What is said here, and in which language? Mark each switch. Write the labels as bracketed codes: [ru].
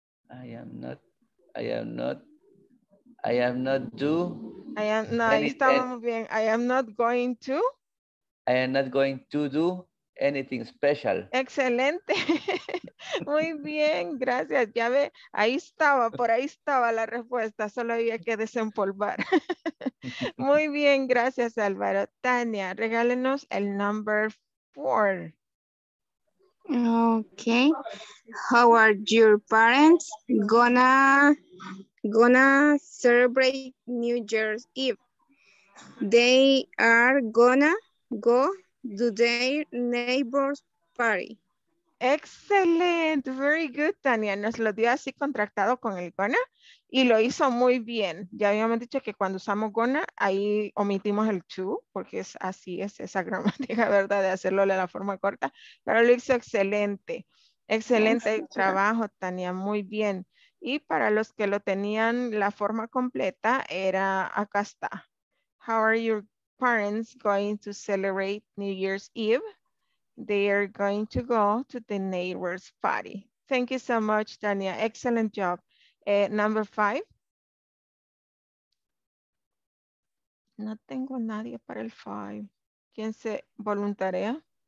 [en] I am not going to do anything special. [es] Excelente. Muy bien, gracias. Ya ve, ahí estaba, por ahí estaba la respuesta. Solo había que desempolvar. Muy bien, gracias, Álvaro. Tania, regálenos el number 4. Okay. [en] How are your parents gonna celebrate New Year's Eve? They are gonna go to their neighbor's party. Excellent. Very good, Tania. [es] Nos lo dio así contractado con el gonna y lo hizo muy bien. Ya habíamos dicho que cuando usamos gonna, ahí omitimos el to, porque es así, es esa gramática, ¿verdad? De hacerlo de la forma corta. Pero lo hizo excelente. Excelente sí, trabajo, Tania. Muy bien. Y para los que lo tenían la forma completa, era acá está. [en] How are your parents going to celebrate New Year's Eve? They are going to go to the neighbor's party. Thank you so much, Tania. Excellent job. Number 5. [es] No tengo nadie para el 5. ¿Quién se voluntaria?